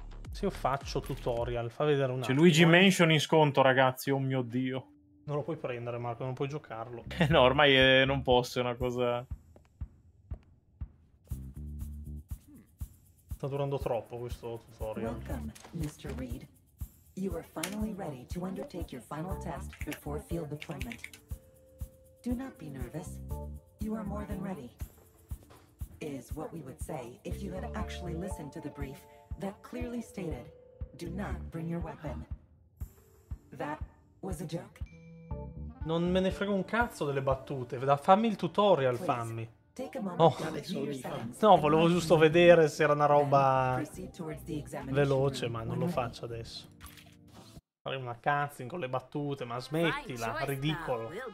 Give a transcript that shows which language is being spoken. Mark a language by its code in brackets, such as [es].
[it] Se io faccio tutorial, fa vedere un attimo. C'è Luigi Mansion in sconto, ragazzi, oh mio Dio. Non lo puoi prendere, Marco, non puoi giocarlo. No, ormai non posso, è una cosa... Sta durando troppo questo tutorial. [en] Welcome, Mr. Reed. You are finally ready to undertake your final test before field deployment. Do not be nervous. You are more than ready. Is what we would say if you had actually listened to the brief that clearly stated Do not bring your weapon. That was a joke. [it] Non me ne frega un cazzo delle battute. Fammi il tutorial, please, fammi. Oh. No, volevo giusto vedere se era una roba veloce, ma non lo faccio adesso. Fare una cazzin con le battute, ma smettila, ridicolo.